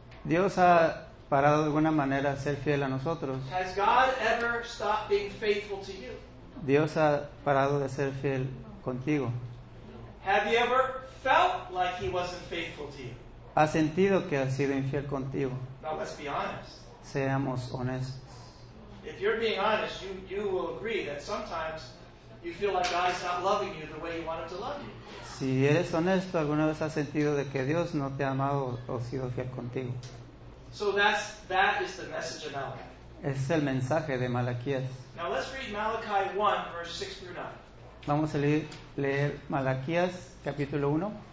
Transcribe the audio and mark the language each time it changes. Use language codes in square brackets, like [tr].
[es] Dios ha parado de alguna manera ser fiel a nosotros. [en] Has God ever stopped being faithful to you? [es] Dios ha parado de ser fiel contigo. [en] Have you ever felt like he wasn't faithful to you? [es] ¿Has sentido que ha sido infiel contigo? [en] Now let's be honest. [es] Seamos honestos. [en] If you're being honest, you will agree that sometimes you feel like God is not loving you the way he wanted to love you. [es] Si eres honesto, alguna vez has sentido de que Dios no te ha amado o sido fiel contigo. [en] So that is the message of Malachi. [es] Es el mensaje de Malaquías. [en] Now let's read Malachi 1, verse 6 through 9. [es] Vamos a leer Malaquías, capítulo 1.